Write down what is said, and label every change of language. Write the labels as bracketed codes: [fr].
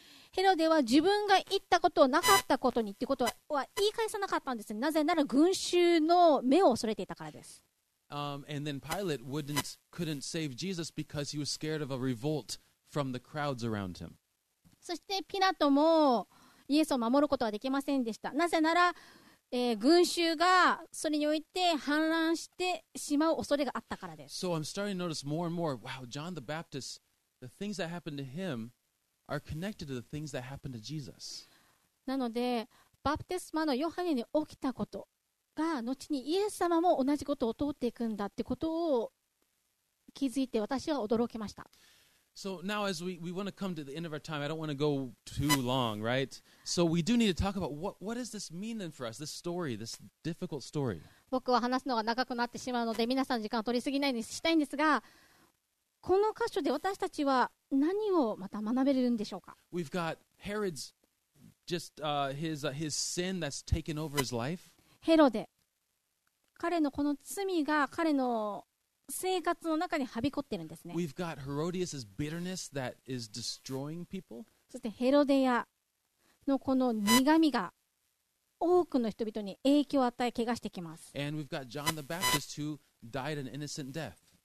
[ja] ヘロデは自分が言ったことをなかったことにっていうことは言い返さなかったんですね。なぜなら群衆の目を恐れていたからです。 [en] And then Pilate couldn't save Jesus because he was scared of a revolt from the crowds around him. [ja] そしてピラトもイエスを守ることはできませんでした。なぜなら、群衆がそれにおいて反乱してしまう恐れがあったからです。 [en] So I'm starting to notice more and more, wow, John the Baptist, the things that happened to him are connected to the things that happened to Jesus. [ja] なので、バプテスマのヨハネに起きたことが、後にイエス様も同じことを通っていくんだってことを気づいて私は驚きました。 [en] So now as we want to come to the end of our time, I don't want to go too long, right? So we do need to talk about what does this mean then for us, this story, this difficult story. [ja] 僕は話すのが長くなってしまうので皆さん時間を取りすぎないようにしたいんですが、この箇所で私たちは何をまた学べるんでしょうか? [en] We've got Herod's just his sin that's taken over his life. [ja] ヘロデ、彼のこの罪が彼の生活の中にはびこってるんですね。 [en] We've got Herodias' bitterness that is destroying people. [ja] そしてヘロデヤのこの苦味が多くの人々に影響を与え怪我してきます。 [en] And we've got John the Baptist who died an innocent death.